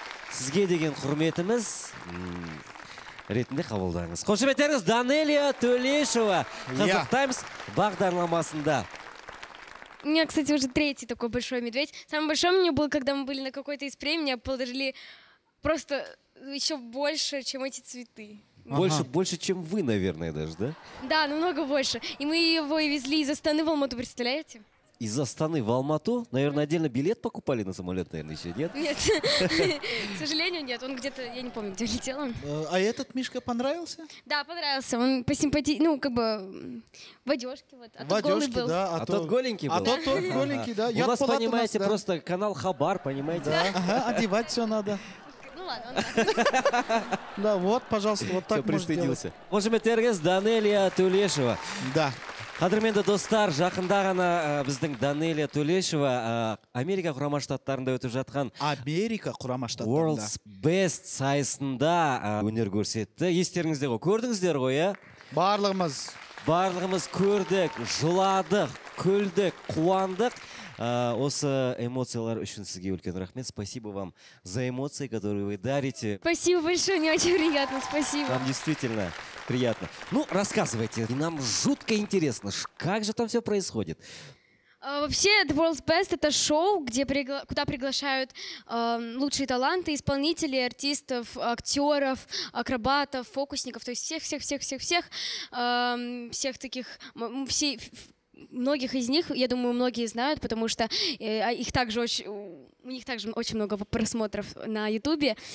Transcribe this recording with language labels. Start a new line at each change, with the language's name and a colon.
Kazakh: Сізге деген құрметіміз ретінде қабылдаңыз. Қош келдіңіз, Данелия Тулешова, қызық таймыз бағдарламасында.
Russian: У меня, кстати, уже третий такой большой медведь. Самый большой у меня был, когда мы были на какой-то из премий, меня положили просто еще больше, чем эти цветы. Больше, ага. Больше, чем вы, наверное, даже, да? Да, намного больше. И мы его и везли из Астаны в Алмату, представляете? Из Астаны в Алмату? Наверное, отдельно билет покупали на самолет, наверное, еще, нет? Нет. К сожалению, нет. Он где-то, я не помню, где летел. А этот Мишка понравился? Да, понравился. Он посимпатичный, ну, как бы, в одежке. В одежке, да. А тот голенький был. А тот голенький, да. У нас, понимаете, просто канал Хабар, понимаете? Да, одевать все надо. Да, вот, пожалуйста, вот так можно делать. Можем и тергез Данелия Тулешова. Да.
Kazakh: Қадырменді достар, жақында ғана біздің Данелия Тулешова Америка құрама штаттарында өтіп жатқан Америка құрама штаттарында World's Best сайысында өнер көрсетті. Естеріңізде ғой, көрдіңіздер ғой, е? Барлығымыз. Барлығымыз көрдік, жыладық, күлдік, қуандық. Осы эмоциялар үшін сізге үлкен рахмет.
Russian: Спасибо вам за эмоции, которые вы дарите. Спасибо большое, мне очень приятно, спасибо. Вам действительно приятно. Ну, рассказывайте, нам жутко интересно, как же там все происходит? Вообще, The World's Best — это шоу, куда приглашают лучшие таланты, исполнителей, артистов, актеров, акробатов, фокусников, то есть многих из них, я думаю, многие знают, потому что у них также очень много просмотров на Ютубе.